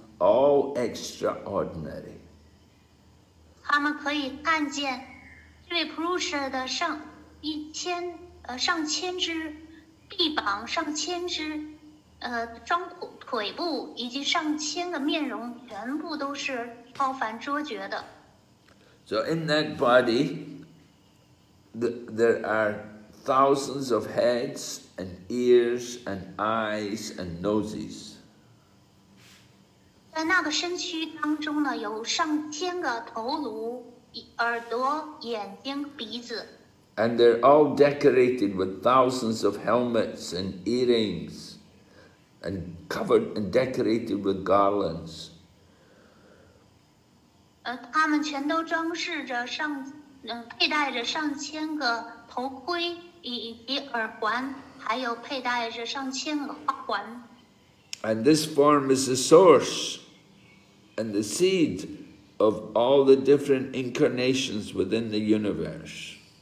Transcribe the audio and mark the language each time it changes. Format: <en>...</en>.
<en>all extraordinary. So in that body, there are thousands of heads and ears and eyes and noses.</en> <zh>在那个身躯当中呢, 有上千个头颅, 耳朵, 眼睛, 鼻子。</zh> <en>And they're all decorated with thousands of helmets and earrings, and covered and decorated with garlands.</en> <zh>他们全都装饰着上, 佩戴着上千个头盔, 以及耳环, 还有佩戴着上千个花环。</zh> <en>And this form is the source and the seed of all the different incarnations within the universe.</en>